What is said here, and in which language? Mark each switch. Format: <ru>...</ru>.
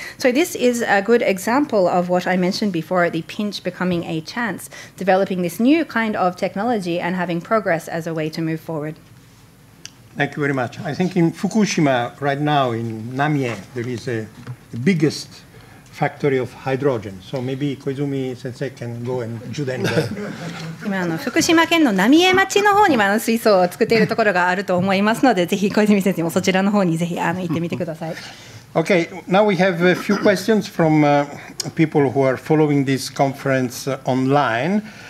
<en>So this is a good example of what I mentioned before, the pinch becoming a chance, developing this new kind of technology and having progress as a way to move forward. Thank you very much. I think in Fukushima right now, in Namie, there is the biggest factory of hydrogen. So maybe Koizumi sensei can go and join them.</en> <ja>今福島県の浪江町の方にも水槽を作っているところがあると思いますので、ぜひ小泉先生もそちらの方にぜひ行ってみてください。</ja> <en>Okay, now we have a few questions from people who are following this conference online.</en>